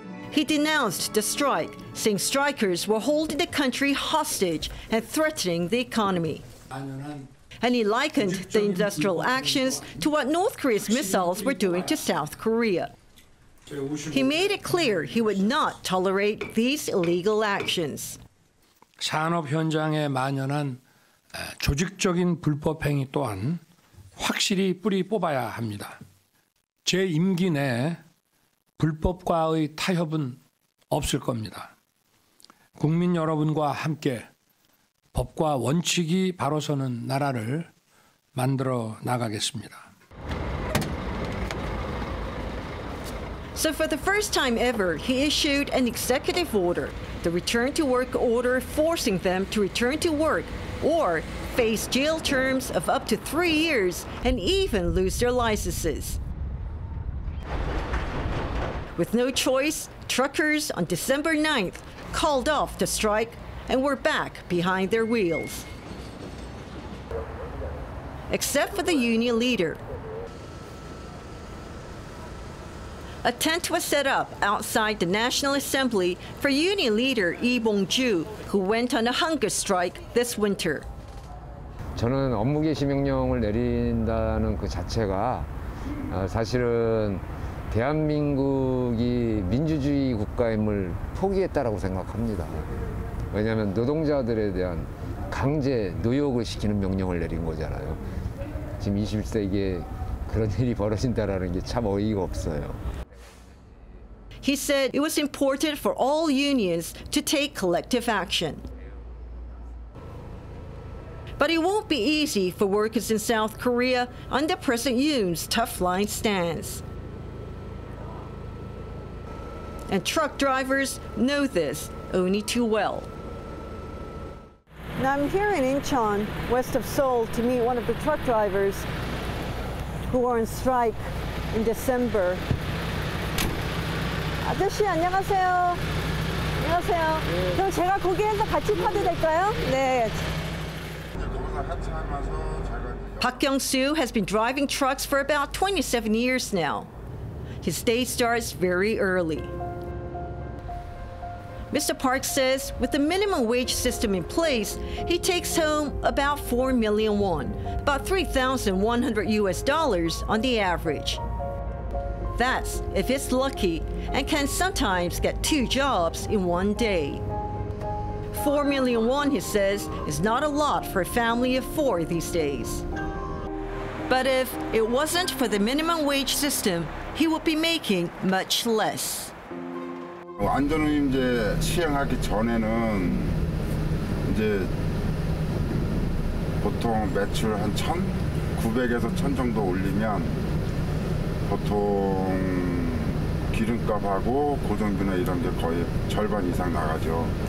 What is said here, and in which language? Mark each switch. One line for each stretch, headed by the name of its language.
English: He denounced the strike, saying strikers were holding the country hostage and threatening the economy. And he likened the industrial actions to what North Korea's missiles were doing to South Korea. He made it clear he would not tolerate these illegal actions.
Korean: 산업 현장에 만연한 조직적인 불법 행위 또한 확실히 뿌리 뽑아야 합니다. 제 임기 내 불법과의 타협은 없을 겁니다. 국민 여러분과 함께 법과 원칙이 바로 서는 나라를 만들어 나가겠습니다.
English: So for the first time ever, he issued an executive order, the return to work order, forcing them to return to work or face jail terms of up to 3 years and even lose their licenses. With no choice, truckers on December 9th called off the strike and were back behind their wheels. Except for the union leader, a tent was set up outside the National Assembly for union leader Lee Bong-ju, who went on a hunger strike this winter.
Korean: 저는 업무 개시 명령을 내린다는 그 자체가 사실은 대한민국이 민주주의 국가임을 포기했다라고 생각합니다. 왜냐하면 노동자들에 대한 강제 노역을 시키는 명령을 내린 거잖아요. 지금 21세기에 그런 일이 벌어진다라는 게 참 어이가 없어요.
English: He said it was important for all unions to take collective action. But it won't be easy for workers in South Korea under President Yoon's tough line stance. And truck drivers know this only too well. Now I'm here in Incheon, west of Seoul, to meet one of the truck drivers who were on strike in December.
Korean: 아저씨 안녕하세요. 안녕하세요. 네. 그럼 제가 고기 해서 같이 파도 될까요? 네. 노동사 한참 와서 잘 갑니다.
English: Park Kyung-soo has been driving trucks for about 27 years now. His day starts very early. Mr. Park says with the minimum wage system in place, he takes home about 4 million won, about $3,100 US on the average. That's if he's lucky and can sometimes get two jobs in one day. 4 million won, he says, is not a lot for a family of four these days. But if it wasn't for the minimum wage system, he would be making much less.
Korean: 안전운임제 시행하기 전에는 이제 보통 매출 한 1,900에서 1,000 정도 올리면 보통 기름값하고 고정비나 이런 게 거의 절반 이상 나가죠.